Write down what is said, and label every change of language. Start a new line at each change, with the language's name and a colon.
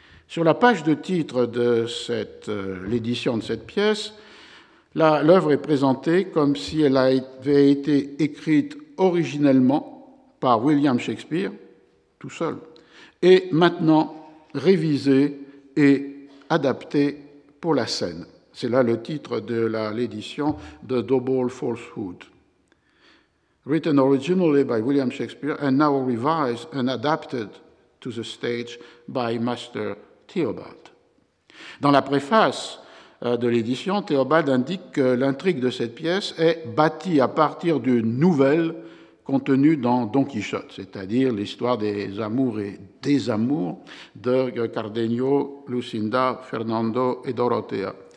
French: Sur la page de titre de l'édition de cette pièce, l'œuvre est présentée comme si elle avait été écrite originellement par William Shakespeare, tout seul, et maintenant révisée et adaptée pour la scène. C'est là le titre de l'édition de Double Falsehood.
English: Written originally by William Shakespeare and now revised and adapted to the stage by Master Theobald.
French: Dans la préface de l'édition, Théobald indique que l'intrigue de cette pièce est bâtie à partir d'une nouvelle contenue dans Don Quichotte, c'est-à-dire l'histoire des amours et des amours de Cardenio, Lucinda, Fernando et Dorothea.